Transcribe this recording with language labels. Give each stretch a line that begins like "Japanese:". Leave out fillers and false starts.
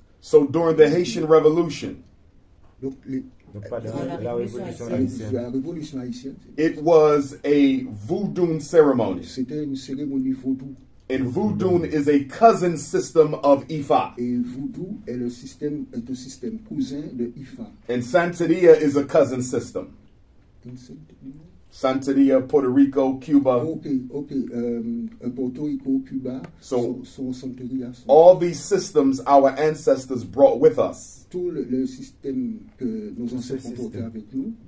English: So during the Haitian Revolution, it was a voodoo ceremony.
French: C'était une cérémonie voodoo.
English: And voodoo is a cousin system of Ifa.
French: Et voodoo est le système cousin de Ifa.
English: And Santeria is a cousin system. Santeria, Puerto Rico, Cuba. Okay. Puerto Rico, Cuba. So Santeria. All these systems our ancestors brought with us.
French: Tout le système que nos ancêtres ont porté avec nous.